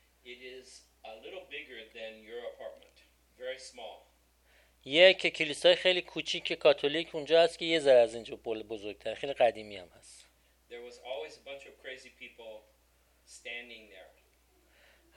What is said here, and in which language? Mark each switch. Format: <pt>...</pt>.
<en>It is a little bigger than your apartment. Very small.</en> <fa>یک کلیسای خیلی کوچیک کاتولیک اونجا هست که یه ذره از اینجا بزرگتر. خیلی قدیمی هم هست.</fa> <en>There was always a bunch of crazy people standing there.</en>